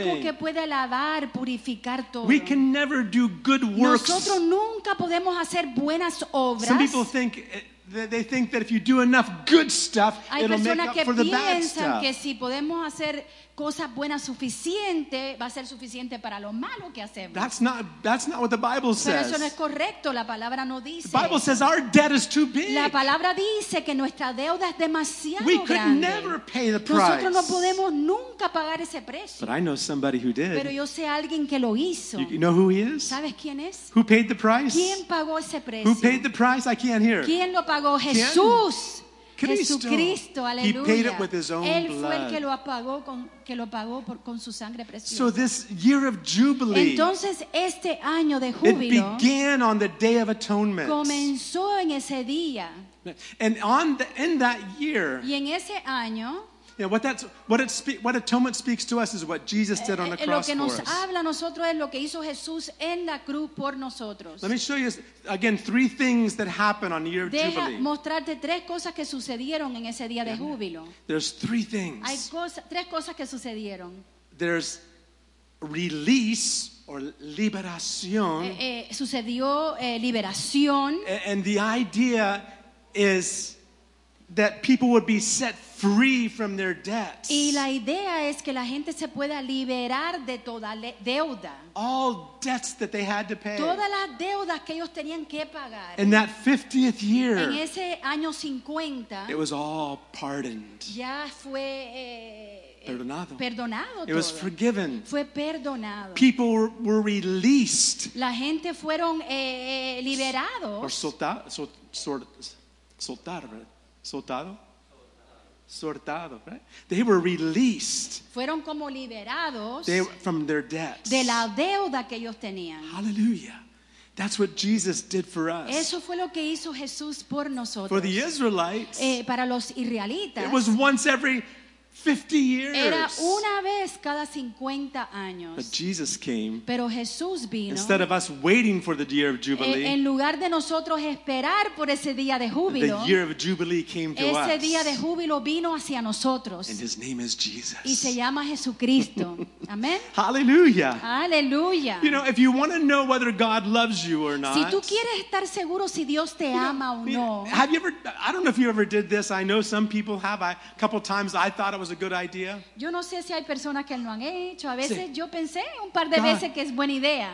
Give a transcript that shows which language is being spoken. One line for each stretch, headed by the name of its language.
Spanish: Es lo único que puede lavar, purificar todo.
English: We can never do good works.
Spanish: Nosotros nunca podemos hacer buenas obras.
English: Some people think they think that if you do enough good stuff, it'll make up for the bad stuff.
Spanish: Que si podemos hacer cosas buenas suficiente, va a ser suficiente para lo malo que hacemos.
English: That's not what the Bible says.
Spanish: Pero eso no es correcto, la palabra no dice.
English: The Bible says our debt is too big.
Spanish: La palabra dice que nuestra deuda es demasiado grande.
English: We could never pay the price.
Spanish: Nosotros no podemos nunca pagar ese precio.
English: But I know somebody who did.
Spanish: Pero yo sé a alguien que lo hizo.
English: You know who he is?
Spanish: ¿Sabes quién es?
English: Who paid the price?
Spanish: ¿Quién pagó ese precio?
English: Who paid the price? I can't hear.
Spanish: ¿Quién lo pagó? Jesús. ¿Quién? Jesucristo, aleluya.
English: He paid it with his own
Spanish: Él fue
English: blood.
Spanish: El que lo apagó con que lo pagó por, con su sangre preciosa.
English: So this year of jubilee,
Spanish: entonces este año de júbilo,
English: it began on the Day of Atonement.
Spanish: Comenzó en ese día.
English: And on the, in that year,
Spanish: y en ese año,
English: yeah, what atonement speaks to us is what Jesus did on the cross for us.
Spanish: Lo que nos habla a nosotros es lo que hizo Jesús en la cruz por nosotros.
English: Let me show you again three things that happen on the year of
Spanish: Deja
English: jubilee.
Spanish: Deja mostrarte tres cosas que sucedieron en ese día de júbilo.
English: There's three things.
Spanish: Hay tres cosas que sucedieron.
English: There's release or liberación.
Spanish: Sucedió liberación.
English: And the idea is that people would be set free from their debts.
Spanish: Y la idea es que la gente se pueda liberar de toda deuda.
English: All debts that they had to pay.
Spanish: Todas las deudas que ellos tenían que pagar.
English: In that 50th year.
Spanish: En ese año 50.
English: It was all pardoned.
Spanish: Ya fue perdonado.
English: It
Spanish: todo.
English: Was forgiven.
Spanish: Fue perdonado.
English: People were released.
Spanish: La gente fueron liberados.
English: Or soltar, right?
Spanish: Soltado? Soltado,
English: right? They were released.
Spanish: Fueron como liberados.
English: They were from their debts.
Spanish: De la deuda que ellos tenían.
English: Hallelujah. That's what Jesus did for us.
Spanish: Eso fue lo que hizo Jesús por nosotros.
English: For the Israelites.
Spanish: Para los israelitas.
English: It was once every 50 years.
Spanish: Era una vez cada 50 años.
English: But Jesus came.
Spanish: Pero Jesús vino.
English: Instead of us waiting for the year of jubilee.
Spanish: En lugar de nosotros esperar por ese día de júbilo.
English: The year of jubilee came to
Spanish: ese
English: us.
Spanish: Ese día de júbilo vino hacia nosotros.
English: And his name is Jesus.
Spanish: Y se llama Jesucristo. Amén.
English: Hallelujah. Hallelujah. You know, if you want to know whether God loves you or not.
Spanish: Si tú quieres estar seguro si Dios te ama o no.
English: Have you ever? I don't know if you ever did this. I know some people have. A couple times I thought it was a good idea.
Spanish: Yo no sé si hay personas que lo han hecho. A veces yo pensé un par de veces que es buena idea.